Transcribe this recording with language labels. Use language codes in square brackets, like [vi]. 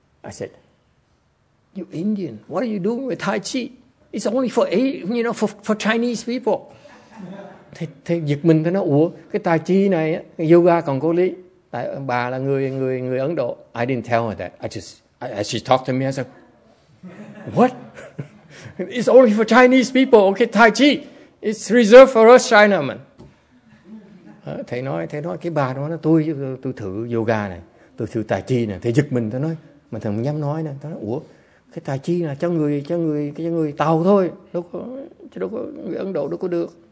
[en] I said, you Indian, what are you doing with tai chi? It's only for Chinese people. [vi] Thì giật mình, thì nó ủa cái tai chi này yoga còn có lý, tại bà là người Ấn Độ. [en] I didn't tell her that. She talked to me. I said, what? It's only for Chinese people. Okay, tai chi, it's reserved for us Chinamen. [vi] Thầy nói cái bà đó, tôi thử yoga này, tôi thử tai chi này. Thầy giật mình, thầy nói, mà thầy không dám nói nè. Thầy nói, ủa cái tai chi là cho người Tàu thôi, đâu có người Ấn Độ đâu có được.